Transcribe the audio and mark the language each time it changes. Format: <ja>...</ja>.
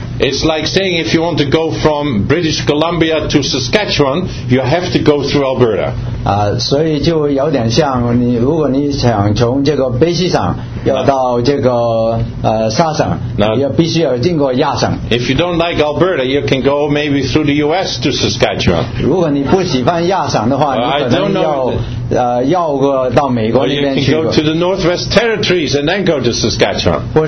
<en>It's like saying if you want to go from British Columbia to Saskatchewan, you have to go through Alberta.</en> <zh>所以就有点像，如果你想从这个卑诗省要到这个沙省，也必须要经过亚省。</zh> <en>If you don't like Alberta, you can go maybe through the U.S. to Saskatchewan.</en> <zh>如果你不喜欢亚省的话，你可能要到美国那边去。</zh> <en>You can go to the Northwest Territories and then go to Saskatchewan.</en>